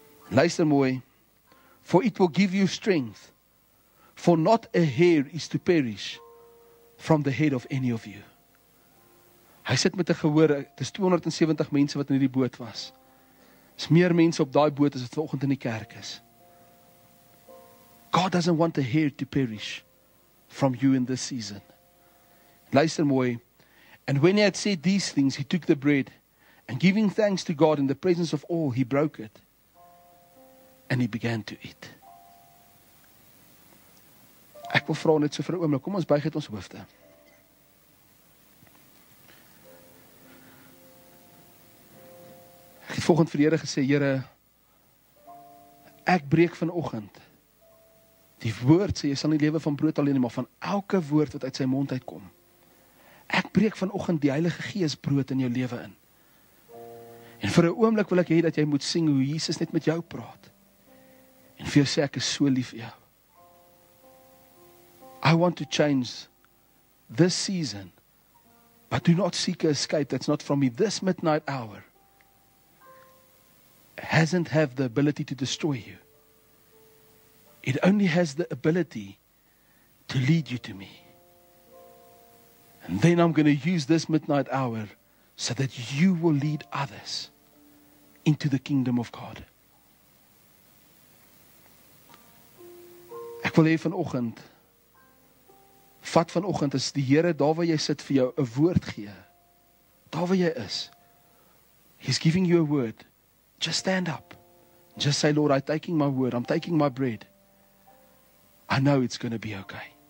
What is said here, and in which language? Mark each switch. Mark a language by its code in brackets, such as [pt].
[af] Luister mooi, [en] for it will give you strength, for not a hair is to perish from the head of any of you. [af] Hy sit met 'n gehoor, het is 270 mense wat in die boot was, is meer mense op die boot as wat vanoggend in die kerk is. [en] God doesn't want a hair to perish from you in this season. [af] Luister mooi, [en] And when he had said these things, he took the bread, and giving thanks to God in the presence of all, he broke it, and he began to eat. [af] Ek wil vra net so vir 'n oomblik, kom ons buig het ons hoofde. Ek het volgend vir die Here gesê, Here, ek breek vanoggend die woord, sê, jy sal nie lewe van brood alleen, maar van elke woord wat uit sy mond uitkom. Ek breek vanoggend die Heilige Gees brood in jou lewe in. En vir 'n oomblik wil ek hê dat jy moet sing hoe Jesus net met jou praat. En vir jou sê, ek is so lief vir jou. [en] I want to change this season, but do not seek a escape that's not from me. This midnight hour hasn't have the ability to destroy you. It only has the ability to lead you to me. And then I'm going to use this midnight hour so that you will lead others into the kingdom of God. [af] Ek wil hê vanoggend, vat vanoggend as die Here daar waar jy sit vir jou 'n woord gee. Daar waar jy is. [en] He's giving you a word. Just stand up. Just say, Lord, I'm taking my word. I'm taking my bread. I know it's going to be okay.